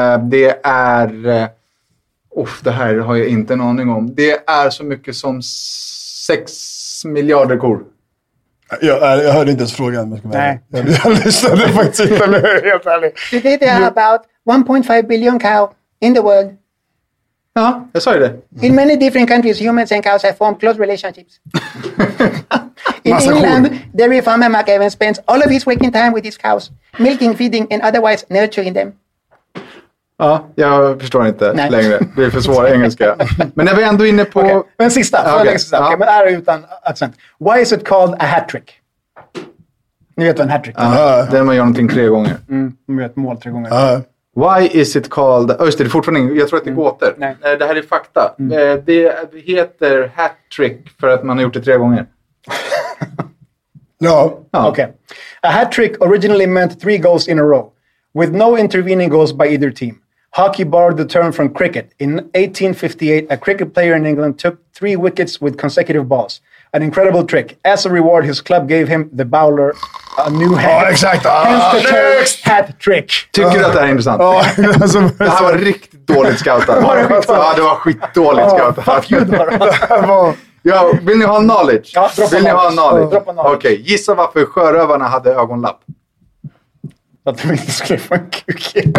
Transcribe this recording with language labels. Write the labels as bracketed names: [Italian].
[Swedish] Det är det här har jag inte en aning om. Det är så mycket som 6 miljarder kor. Jag hörde inte ens frågan. Nej. Jag lyssnade faktiskt inte. Helt ärligt. [English] Today there are about 1.5 billion cow in the world. [Swedish] Ja, jag sa ju det. [English] In many different countries humans and cows have formed close relationships. [Swedish] In massa England, kor. [English] Dairy farmer Mark Evans spends all of his waking time with his cows, milking, feeding and otherwise nurturing them. [Swedish] Ja, jag förstår inte längre. Det är för svår engelska. Men när vi ändå inne på... Okay. Men sista. Men är det utan accent. [English] Why is it called a hat-trick? [Swedish] Ni vet vad en hat-trick är. Den man gör någonting 3 gånger. Mm, man vet mål 3 gånger. [English] Why is it called... [Swedish] Just det, fortfarande... Jag tror att det är gåter. Nej. Det här är fakta. Mm. Det heter hat-trick för att man har gjort det 3 gånger. Ja. Okej. Okay. [English] A hat-trick originally meant 3 goals in a row. With no intervening goals by either team. Hockey borrowed the term from cricket. In 1858, a cricket player in England took 3 wickets with consecutive balls. An incredible trick. As a reward, his club gave him, the bowler, a new hat. [Swedish] Ja, exakt. [English] Hence the term hat trick. [Swedish] Tycker du att det här är intressant? Det här var riktigt dåligt scoutat. Var det skitdåligt? Ja, det var skitdåligt scoutat. [English] Fuck you, [Swedish] det var. Ja, vill ni ha knowledge? Ja, droppa vill Ni ha knowledge? Droppa knowledge. Okej, okay, gissa varför sjörövarna hade ögonlapp. Att de inte skulle få en kuk